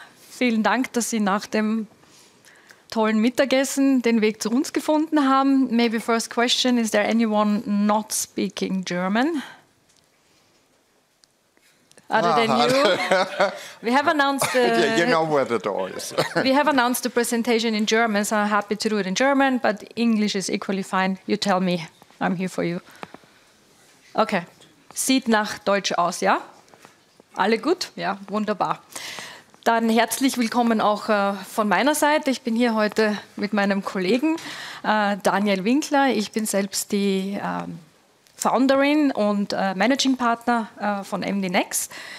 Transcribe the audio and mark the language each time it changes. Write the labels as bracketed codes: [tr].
[de] Vielen Dank, dass Sie nach dem tollen Mittagessen den Weg zu uns gefunden haben. [en] Maybe first question, is there anyone not speaking German? Other than you, we have announced the. You know where the door is. We have announced the presentation in German, so I'm happy to do it in German. But English is equally fine. You tell me. I'm here for you. [de] Okay, sieht nach Deutsch aus, ja? Alle gut? Ja, wunderbar. Dann herzlich willkommen auch von meiner Seite. Ich bin hier heute mit meinem Kollegen Daniel Winkler. Ich bin selbst die Founderin und Managing Partner von MD Next.